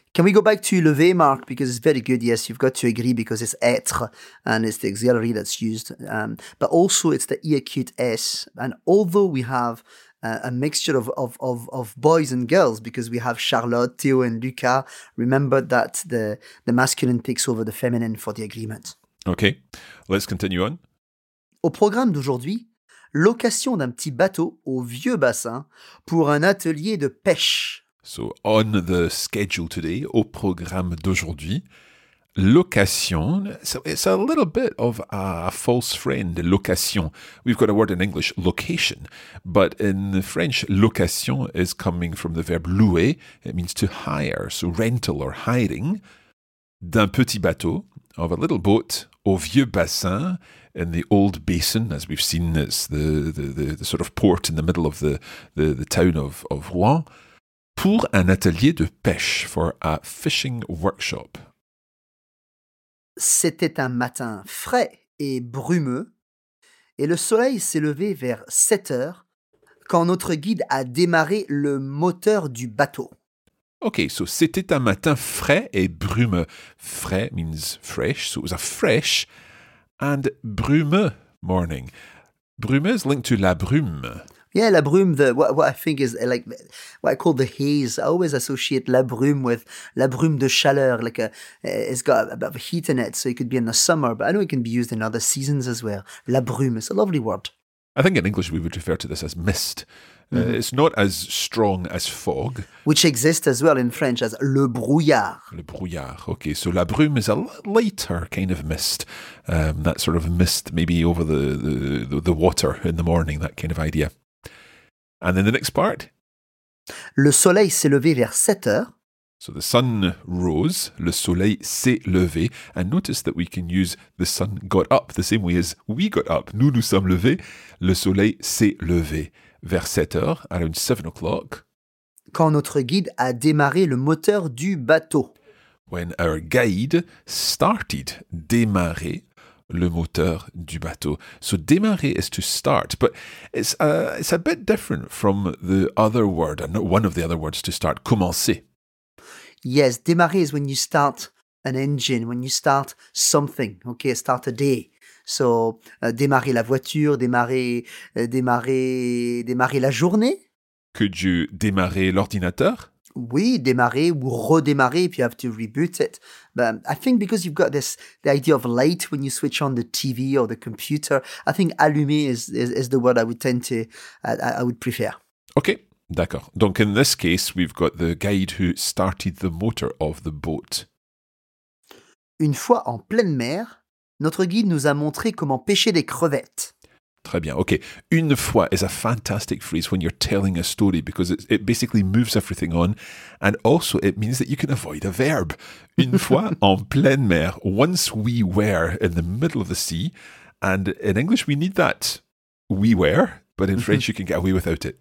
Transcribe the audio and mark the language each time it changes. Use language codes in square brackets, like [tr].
[en] Can we go back to lever, Mark? Because it's very good. Yes, you've got to agree because it's être and it's the auxiliary that's used. But also it's the E acute S. And although we have a mixture of boys and girls, because we have Charlotte, Theo and Luca. Remember that the masculine takes over the feminine for the agreement. Okay, let's continue on. [fr] Au programme d'aujourd'hui, location d'un petit bateau au vieux bassin pour un atelier de pêche. [en] So on the schedule today, [fr] au programme d'aujourd'hui, [en] location, so it's a little bit of a false friend, location. We've got a word in English, location, but in the French, location is coming from the verb louer. It means to hire, so rental or hiring, [fr] d'un petit bateau, [en] of a little boat, [fr] au vieux bassin, [en] in the old basin, as we've seen, it's the sort of port in the middle of the town of Rouen, [fr] pour un atelier de pêche, [en] for a fishing workshop. [fr] C'était un matin frais et brumeux, et le soleil s'est levé vers 7 heures quand notre guide a démarré le moteur du bateau. Ok, so c'était un matin frais et brumeux. [en] Frais means fresh, so it was a fresh and brumeux morning. Brumeux is linked to la brume. Yeah, la brume, what I think is like what I call the haze. I always associate la brume with [fr] la brume de chaleur. [en] Like it's got a bit of heat in it, so it could be in the summer, but I know it can be used in other seasons as well. La brume is a lovely word. I think in English we would refer to this as mist. Mm-hmm. It's not as strong as fog. Which exists as well in French as le brouillard. [fr] Le brouillard, okay. [en] So la brume is a lighter kind of mist. That sort of mist maybe over the water in the morning, that kind of idea. And then the next part. [fr] Le soleil s'est levé vers 7 heures. [en] So the sun rose, [fr] le soleil s'est levé. [en] And notice that we can use the sun got up the same way as we got up. [fr] Nous nous sommes levés, le soleil s'est levé. Vers 7 heures, [en] around 7 o'clock. [fr] Quand notre guide a démarré le moteur du bateau. [en] When our guide started, [fr] démarrer le moteur du bateau. [en] So démarrer is to start, but it's a bit different from the other word, one of the other words to start, commencer. Yes, démarrer is when you start an engine, when you start something, okay, start a day. [fr] So, démarrer la voiture, démarrer la journée. [en] Could you [fr] démarrer l'ordinateur? Oui, démarrer ou redémarrer [en] if you have to reboot it. But I think because you've got this, the idea of light when you switch on the TV or the computer, I think allumer is the word I would tend to, I would prefer. [fr] Okay, d'accord. [en] Donc, in this case, we've got the guide who started the motor of the boat. [fr] Une fois en pleine mer, notre guide nous a montré comment pêcher des crevettes. Très bien, ok. [en] Une fois is a fantastic phrase when you're telling a story because it basically moves everything on and also it means that you can avoid a verb. [fr] Une fois en pleine mer, [en] once we were in the middle of the sea, and in English we need that, we were, but in French you can get away without it.